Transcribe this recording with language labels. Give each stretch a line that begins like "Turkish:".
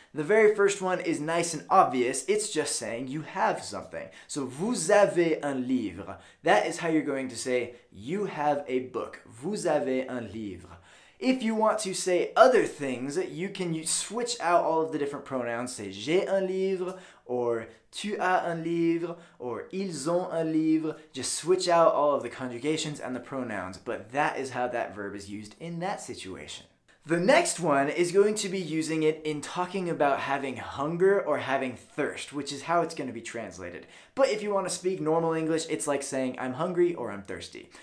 English: The very first one is nice and obvious. It's just saying you have something. So
French: vous avez un livre.
English: That is how you're going to say you have a book.
French: Vous avez un livre.
English: If you want to say other things, you can switch out all of the different pronouns. Say
French: j'ai un livre,
English: or
French: tu as un livre,
English: or
French: ils ont un livre.
English: Just switch out all of the conjugations and the pronouns, but that is how that verb is used in that situation. The next one is going to be using it in talking about having hunger or having thirst, which is how it's going to be translated. But if you want to speak normal English, it's like saying I'm hungry or I'm thirsty.